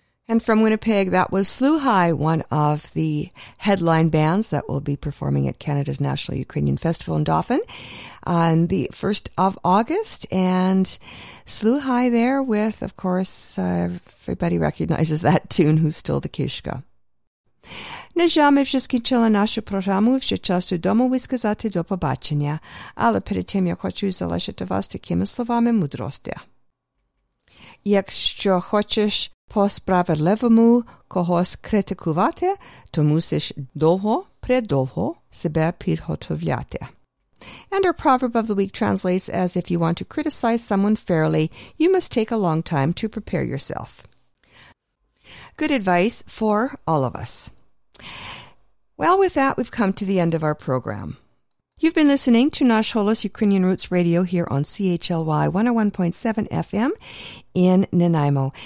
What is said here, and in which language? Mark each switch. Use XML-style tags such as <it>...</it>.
<en>And from Winnipeg, that was Slew High, one of the headline bands that will be performing at Canada's National Ukrainian Festival in Dauphin on the 1st of August. And Slew High there with, of course, everybody recognizes that tune, Who Stole the Kishka?</en> <uk>Нежами вже скінчила нашу програму, вже час додому висказати до побачення. Але перед тим я хочу залишити вас такими словами мудрості. Якщо хочеш по-справедливому когось критикувати, то мусиш довго-предовго себе підготовляти.</uk> <en>And our proverb of the week translates as, if you want to criticize someone fairly, you must take a long time to prepare yourself. Good advice for all of us. Well, with that, we've come to the end of our program. You've been listening to Nash Holos Ukrainian Roots Radio here on CHLY 101.7 FM in Nanaimo.</en>